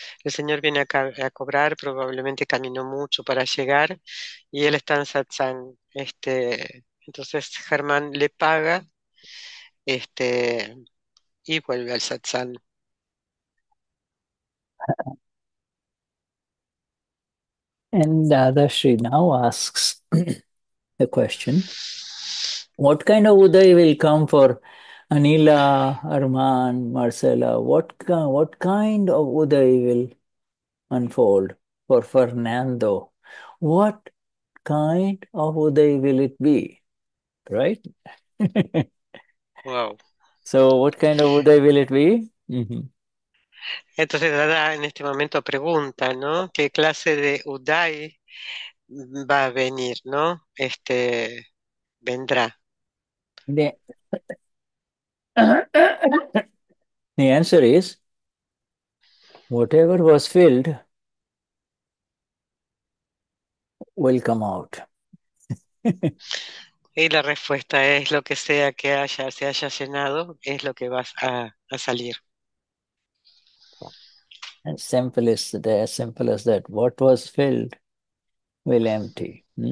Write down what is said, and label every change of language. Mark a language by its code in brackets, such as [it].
[es] El señor viene a cobrar, probablemente caminó mucho para llegar y él está en satsang. Entonces Germán le paga y vuelve al satsang. [en] And Dadashri now asks the question, what kind of Uday will come for Anila, Arman, Marcella? What kind of Uday will unfold for Fernando? What kind of Uday will it be? Right? Wow. So what kind of Uday will it be? [es] Entonces Dada en este momento pregunta, ¿no? ¿Qué clase de Uday va a venir, ¿no? Vendrá. [en] The answer is whatever was filled will come out. [es] Y la respuesta es lo que sea que haya, se haya llenado, es lo que vas a salir. [en] As simple as that. What was filled will empty.